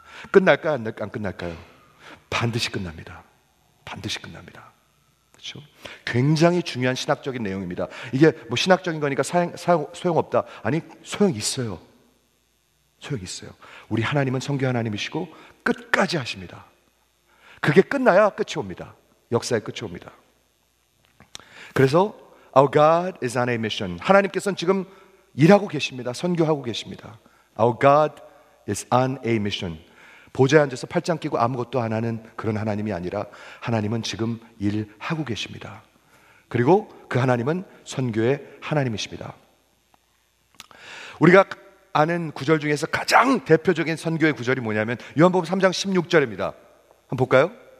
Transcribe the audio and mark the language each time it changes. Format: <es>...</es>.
<ko>끝날까요? 안 끝날까요? 반드시 끝납니다. 반드시 끝납니다. 그렇죠? 굉장히 중요한 신학적인 내용입니다. 이게 뭐 신학적인 거니까 소용없다. 아니, 소용있어요. 소용있어요. 우리 하나님은 선교 하나님이시고 끝까지 하십니다. 그게 끝나야 끝이 옵니다. 역사의 끝이 옵니다. 그래서</ko> <en>Our God is on a mission.</en> <ko>하나님께서는 지금 일하고 계십니다. 선교하고 계십니다.</ko> <en>Our God is on a mission.</en> <ko>보좌에 앉아서 팔짱 끼고 아무것도 안 하는 그런 하나님이 아니라 하나님은 지금 일하고 계십니다. 그리고 그 하나님은 선교의 하나님이십니다. 우리가 아는 구절 중에서 가장 대표적인 선교의 구절이 뭐냐면 요한복음 3장 16절입니다. 한번 볼까요?</ko>